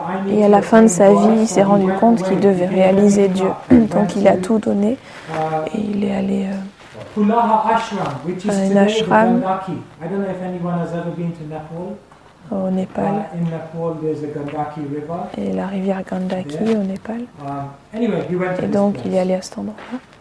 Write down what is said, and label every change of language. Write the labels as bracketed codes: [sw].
[fr] Et à la fin de sa vie, il s'est rendu compte qu'il devait réaliser Dieu. Donc, il a tout donné et il est allé. [en] Pulaha Ashram, which is today Gandaki. I don't know if anyone has ever been to Nepal. [fr] Au Népal. [en] In Nepal, there's a Gandaki River. [fr] Et la rivière Gandaki au Népal. [en] Anyway, he went to [fr] Et donc, il est allé à cet endroit-là.